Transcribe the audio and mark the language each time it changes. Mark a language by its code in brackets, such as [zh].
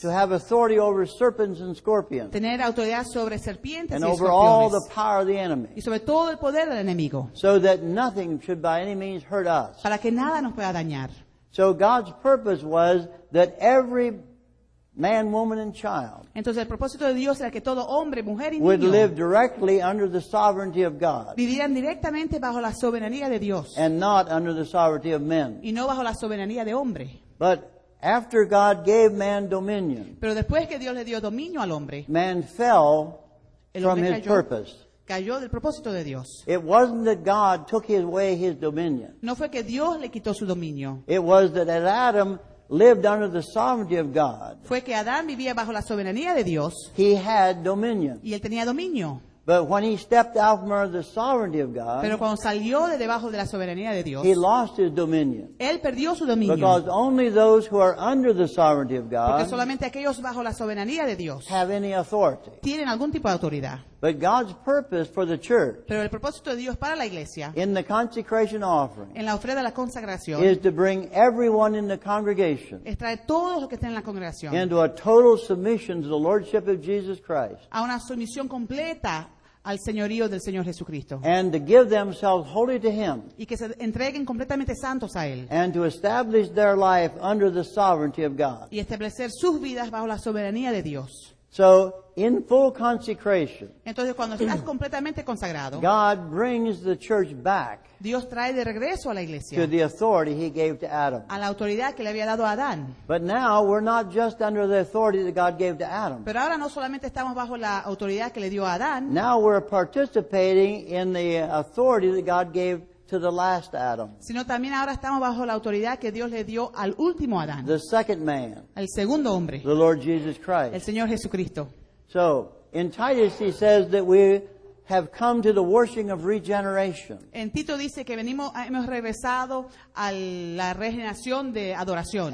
[en] To have authority over serpents and scorpions. [es] Tener autoridad sobre serpientes [en] and [es] y [en] over [es] escorpiones. [en] All the power of the enemy. [es] Y sobre todo el poder del enemigo. [en] So that nothing should by any means hurt us. [es] Para que nada nos pueda dañar. [en] So God's purpose was that every man, woman, and child. [es] Entonces el propósito de Dios era que todo hombre, mujer y niño [en] would live directly under the sovereignty of God. [es] Vivieran directamente bajo la soberanía de Dios. [en] And not under the sovereignty of men. [es] Y no bajo la soberanía de hombre. [en] But after God gave man dominion. [es] Pero después que Dios le dio dominio al hombre. [en] Man fell [es] el hombre [en] from his [es] cayó. [en] Purpose. [es] Cayó del propósito de Dios. [en] It wasn't that God took away his dominion. [es] No fue que Dios le quitó su dominio. [en] It was that Adam lived under the sovereignty of God. [es] Fue que Adán vivía bajo la soberanía de Dios. [en] He had dominion. [es] Y él tenía dominio. [en] But when he stepped out from under the sovereignty of God, [es] pero cuando salió de debajo de la soberanía de Dios, [en] he lost his dominion. [es] Él perdió su dominio. [en] Because only those who are under the sovereignty of God, [es] porque solamente aquellos bajo la soberanía de Dios, [en] have any authority. [es] Tienen algún tipo de autoridad. [en] But God's purpose for the church, [es] pero el propósito de Dios para la iglesia, [en] in the consecration offering, [es] en la ofrenda de la consagración, [en] is to bring everyone in the congregation, [es] es traer todos los que estén en la congregación, [en] into a total submission to the lordship of Jesus Christ, [es] a una sumisión completa al señorío del Señor Jesucristo, [en] and to give themselves wholly to him, [es] y que se entreguen completamente santos a él, [en] and to establish their life under the sovereignty of God, [es] y establecer sus vidas bajo la soberanía de Dios. [en] So, in full consecration, [es] entonces, cuando estás completamente consagrado, [en] God brings the church back, [es] Dios trae de regreso a la iglesia, [en] to the authority he gave to Adam. [es] A la autoridad que le había dado a Adán. [en] But now, we're not just under the authority that God gave to Adam. [es] Pero ahora no solamente estamos bajo la autoridad que le dio a Adán. [en] Now, we're participating in the authority that God gave to the last Adam. [es] Sino también ahora estamos bajo la autoridad que Dios le dio al último Adán. [en] The second man. [es] El segundo hombre. [en] The Lord Jesus Christ. [es] El Señor Jesucristo. [en] So, in Titus he says that we have come to the washing of regeneration. [es] En Tito dice que venimos, hemos regresado a la regeneración de adoración.